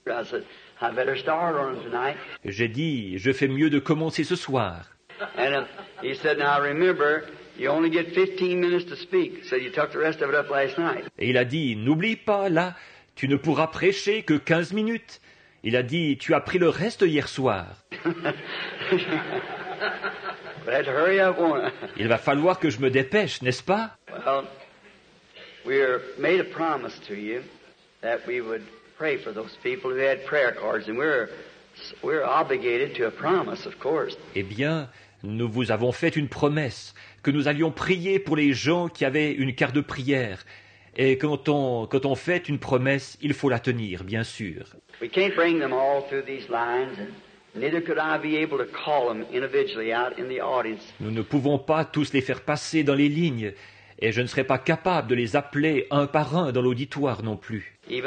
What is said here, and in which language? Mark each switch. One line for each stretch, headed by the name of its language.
English: I said, I better start on tonight.
French: J'ai dit, je fais mieux de commencer ce soir.
English: And he said, now remember, you only get 15 minutes to speak. So you took the rest of it up last night.
French: Et il a dit, n'oublie pas, là, tu ne pourras prêcher que 15 minutes. Il a dit, tu as pris le reste hier soir.
English: But hurry up, won't I?
French: Il va falloir que je me dépêche, n'est-ce pas?
English: Well, we made a promise to you that we would pray for those people who had prayer cards, and we're obligated to a promise, of course.
French: Eh bien, nous vous avons fait une promesse que nous allions prier pour les gens qui avaient une carte de prière, et quand on fait une promesse, il faut la tenir, bien sûr.
English: We can't bring them all through these lines, and neither could I be able to call them individually out in the audience.
French: Nous ne pouvons pas tous les faire passer dans les lignes. Et je ne serais pas capable de les appeler un par un dans l'auditoire non plus.